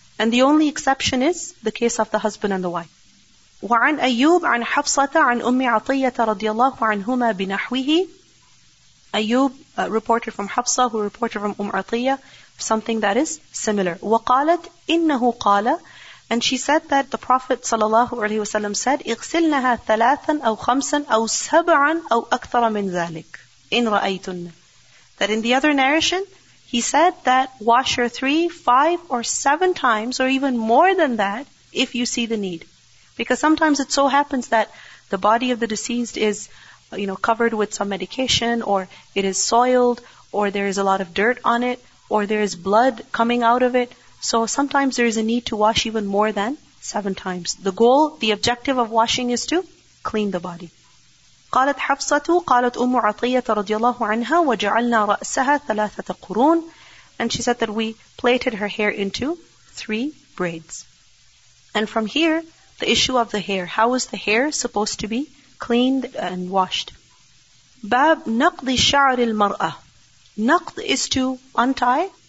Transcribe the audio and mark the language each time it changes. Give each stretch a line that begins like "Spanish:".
English: And the only exception is the case of the husband and the wife.
Arabic: وَعَنْ أَيُّوبْ عَنْ حَفْصَةَ عَنْ أُمِّ عَطِيَّةَ رَضِيَ اللَّهُ عَنْهُمَا بِنَحْوِهِ.
English: Ayyub reported from Hafsa, who reported from Atiyah, something that is similar.
Arabic: وَقَالَتْ إِنَّهُ قَالَ.
English: And she said that the Prophet sallallahu alaihi wasallam said,
Arabic: اغسلنها ثلاثا أو خمسا أو سبعا أو أكثر من ذلك إن رأيتن.
English: That in the other narration, he said that wash her 3, 5, or 7 times or even more than that if you see the need. Because sometimes it so happens that the body of the deceased is, you know, covered with some medication, or it is soiled, or there is a lot of dirt on it, or there is blood coming out of it. So sometimes there is a need to wash even more than 7 times. The goal, the objective of washing is to clean the body.
Arabic: قالت حفصة قالت أم عطية رضي الله عنها وجعلنا رأسها ثلاثة قرون.
English: And she said that we plaited her hair into 3 braids. And from here, the issue of the hair. How is the hair supposed to be cleaned and washed?
Arabic: Bab نقض شعر المرأة. نقض
English: is to untie.